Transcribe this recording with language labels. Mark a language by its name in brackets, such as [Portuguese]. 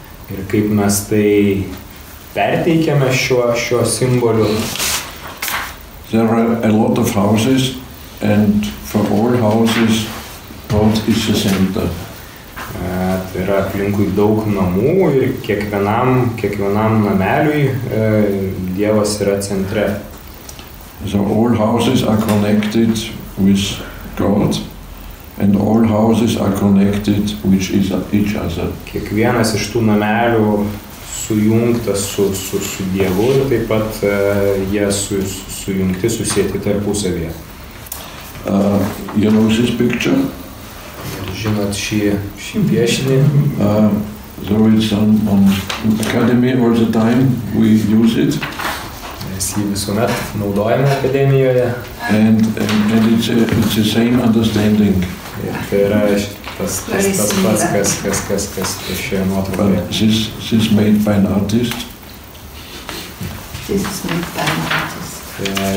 [Lithuanian] Ir kaip mes tai perteikiame šiuo simboliu. [English] There are a lot of houses and for all houses God is the center. [Lithuanian] Tai yra aplinkui daug namų ir kiekvienam nameliui Dievas yra centre. [English] So all houses are connected with God. And all houses are connected which is each other. [Lithuanian] Kiekvienas iš tų namelių sujungtas su Dievu ir taip pat jie sujungti, susieti tarpusavyje. [English] You know this picture? [Lithuanian] Žinot šį piešinį? [English] So it's on academy all the time, we use it. [Lithuanian] Mes jį visuomet naudojame akademijoje. [English] And it's the same understanding. [Lithuanian] Tai yra tas kas šioje nuotraukoje. [English] This is made by an artist. This is made by an artist.